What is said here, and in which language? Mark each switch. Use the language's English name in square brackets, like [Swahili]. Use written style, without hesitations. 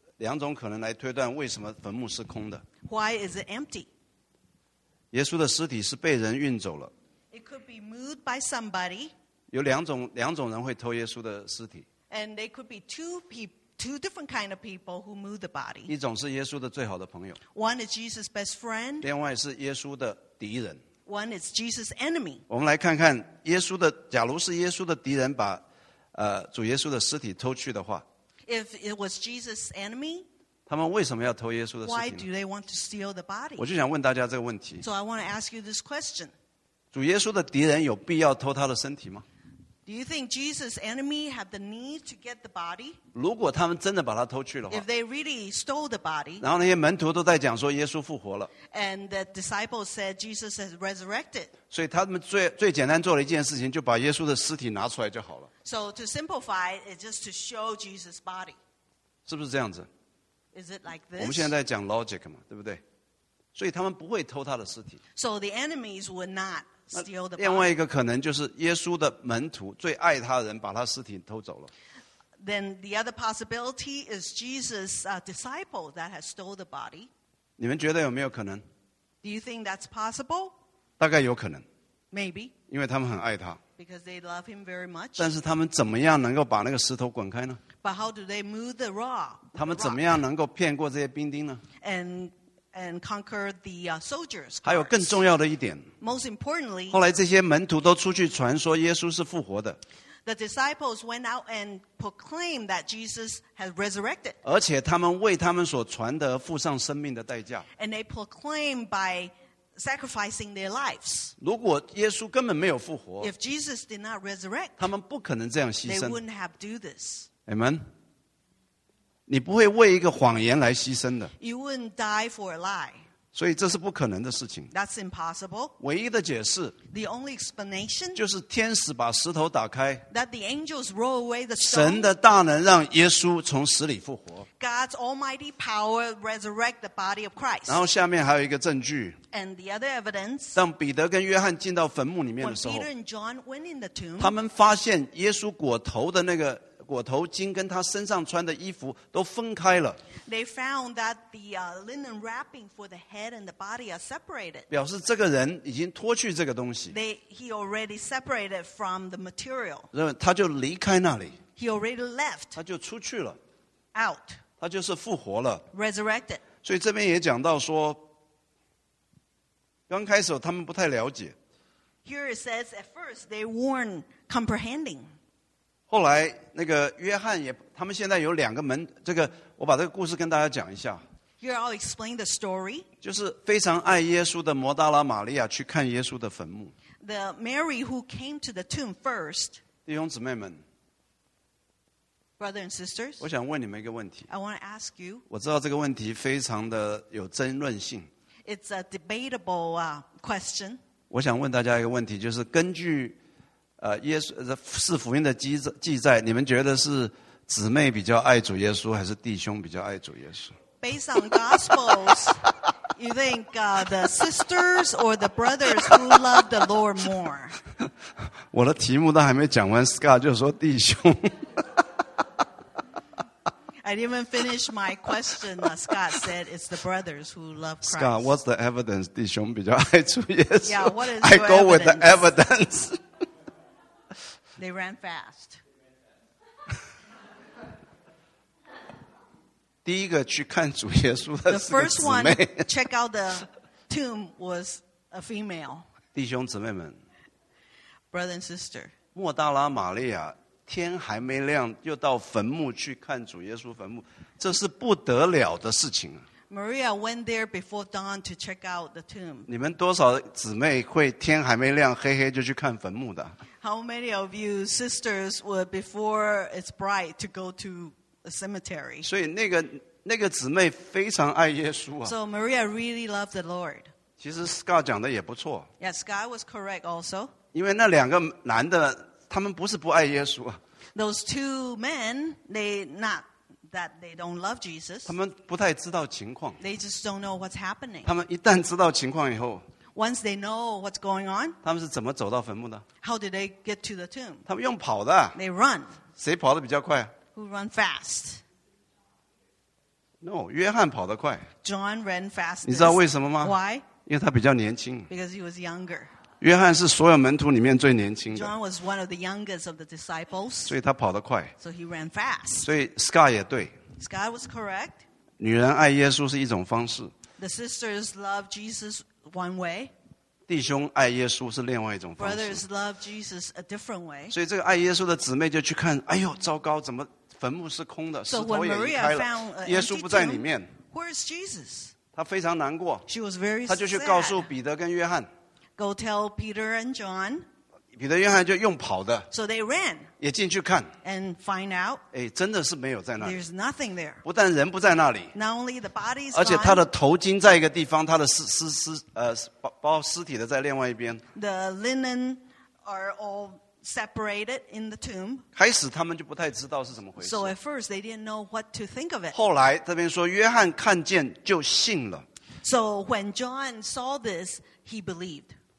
[Chinese] 两种可能来推断为什么坟墓是空的。 [English] Why is it empty? [Chinese] 耶稣的尸体是被人运走了。 [English] It could be moved by somebody. [Chinese] 有两种人会偷耶稣的尸体。 [English] And they could be two different kind of people who move the body. [Chinese] 一种是耶稣的最好的朋友。 [English] One is Jesus' best friend. [Chinese] 另外是耶稣的敌人。 [English] One is Jesus' enemy. [Chinese] 我们来看看耶稣的，假如是耶稣的敌人把，主耶稣的尸体偷去的话。 [English] If it was Jesus' enemy. [Chinese] 他们为什么要偷耶稣的尸体呢？ [English] Why do they want to steal the body? [Chinese] 我就想问大家这个问题。 [English] So I want to ask you this question. [Chinese] 主耶稣的敌人有必要偷他的身体吗？ [English] Do you think Jesus' enemy have the need to get the body? [Chinese] 如果他们真的把他偷去的话， [English] If they really stole the body, [Chinese] 然后那些门徒都在讲说耶稣复活了， [English] And the disciples said Jesus has resurrected. [Chinese] 所以他们最简单做了一件事情，就把耶稣的尸体拿出来就好了。 [English] So to simplify, it's just to show Jesus' body. [Chinese] 是不是这样子？ [English] Is it like this? [Chinese] 我们现在讲 logic 嘛，对不对？所以他们不会偷他的尸体。 [English] So the enemies would not. [Chinese] 另外一个可能就是耶稣的门徒最爱他的人把他尸体偷走了。 [English] Then the other possibility is Jesus' disciple that has stole the body. [Chinese] 你们觉得有没有可能？ [English] Do you think that's possible? [Chinese] 大概有可能。 [English] Maybe. [Chinese] 因为他们很爱他。 [English] Because they love him very much. [Chinese] 但是他们怎么样能够把那个石头滚开呢？ [English] But how do they move the rock? [Chinese] 他们怎么样能够骗过这些兵丁呢？ [English] And conquer the soldiers. [Chinese] 还有更重要的一点。 [English] Most importantly, [Chinese] 后来这些门徒都出去传说耶稣是复活的。 [English] The disciples went out and proclaimed that Jesus had resurrected. [Chinese] 而且他们为他们所传的付上生命的代价。 [English] And they proclaimed by sacrificing their lives. [Chinese] 如果耶稣根本没有复活， [English] If Jesus did not resurrect, [Chinese] 他们不可能这样牺牲。 [English] They wouldn't have do this. Amen. [Chinese] 你不会为一个谎言来牺牲的。 [English] You wouldn't die for a lie. [Chinese] 所以这是不可能的事情。 [English] That's impossible. [Chinese] 唯一的解释。 [English] The only explanation. [Chinese] 就是天使把石头打开。 [English] That the angels roll away the stone. [Chinese] 神的大能让耶稣从死里复活。 [English] God's almighty power resurrect the body of Christ. [Chinese] 然后下面还有一个证据。 [English] And the other evidence. [Chinese] 当彼得跟约翰进到坟墓里面的时候。 [English] When Peter and John went in the tomb. [Chinese] 他们发现耶稣裹头的那个裹头巾跟他身上穿的衣服都分开了。 [English] They found that the linen wrapping for the head and the body are separated. [Chinese] 表示这个人已经脱去这个东西。 [English] He already separated from the material. [Chinese] 他就离开那里。 [English] He already left. [Chinese] 他就出去了。 [English] Out. [Chinese] 他就是复活了。 [English] Resurrected. [Chinese] 所以这边也讲到说，刚开始他们不太了解。 [English] Here it says at first they weren't comprehending. [Chinese] 后来那个约翰也，他们现在有两个门，这个我把这个故事跟大家讲一下。 [English] Here I'll explain the story. [Chinese] 就是非常爱耶稣的摩大拉玛利亚去看耶稣的坟墓。 [English] The Mary who came to the tomb first. [Chinese] 弟兄姊妹们 [English] ，Brother and sisters， [Chinese] 我想问你们一个问题。 [English] I want to ask you. [Chinese] 我知道这个问题非常的有争论性。 [English] It's a debatable question. [Chinese] 我想问大家一个问题，就是根据。耶稣是福音的记载，你们觉得是姊妹比较爱主耶稣，还是弟兄比较爱主耶稣 [English] ？Based on Gospels, you think the sisters or the brothers who love the Lord more? [Chinese] 我的题目都还没讲完 ，Scott 就说弟兄。 [English] I didn't even finish my question. Scott said it's the brothers who love Christ. Scott, what's the evidence? Yes. Yeah, what is I go With the evidence. They ran fast. [Chinese] 第一个去看主耶稣的是个姊妹。 [English] The first one check out the tomb was a female. [Chinese] 弟兄姊妹们, [English] brother and sister. [Chinese] 莫大拉玛利亚, 天还没亮, 又到坟墓去看主耶稣坟墓, 这是不得了的事情。 [English] Maria went there before dawn to check out the tomb. [Chinese] 你们多少姊妹会天还没亮, 黑黑就去看坟墓的? [English] How many of you sisters were before it's bright to go to a cemetery? [Chinese] 所以那个姊妹非常爱耶稣啊。 [English] So Maria really loved the Lord. [Chinese] 其实Scott讲的也不错。 [English] Yes, Scott was correct also. [Chinese] 因为那两个男的,他们不是不爱耶稣啊。 [English] Those two men, they not that they don't love Jesus. [Chinese] 他们不太知道情况。 [English] They just don't know what's happening. [Chinese] 他们一旦知道情况以后, [English] once they know what's going on, [Chinese] 他们是怎么走到坟墓的? [English] How did they get to the tomb? [Chinese] 他们用跑的。 [English] They run. [Chinese] 谁跑得比较快? [English] Who run fast? No, [Chinese] 约翰跑得快。 [English] John ran fast. [Chinese] 你知道为什么吗? [English] Why? [Chinese] 因为他比较年轻。 [English] Because he was younger. [Chinese] 约翰是所有门徒里面最年轻的。 [English] John was one of the youngest of the disciples. [Chinese] 所以他跑得快。 [English] So he ran fast. [Chinese] 所以Scott也对。 [English] Scott was correct. [Chinese] 女人爱耶稣是一种方式。 [English] The sisters love Jesus one way. [Chinese] 弟兄爱耶稣是另外一种方式。 [English] Brothers love Jesus a different way. [Chinese] 所以这个爱耶稣的姊妹就去看, 哎呦,糟糕, 怎么坟墓是空的, 石头也离开了, 耶稣不在里面。 [English] Where is Jesus? [Chinese] 她非常难过。 [English] She was very sad. [Chinese] 她就去告诉彼得跟约翰。 [English] Go tell Peter and John. [Chinese] 彼得约翰就用跑的, [English] so they ran. [Chinese] 也进去看, [English] and find out. [Chinese] 诶, 真的是没有在那里, [English] there's nothing there. [Chinese] 不但人不在那里, [English] not only the body's gone. [Chinese] 而且他的头巾在一个地方, 他的尸体的在另外一边。 [English] The linen are all separated in the tomb. [Chinese] 开始他们就不太知道是怎么回事。 [English] So at first they didn't know what to think of it. [Chinese] 后来这边说约翰看见就信了。 [English] So when John saw this, he believed.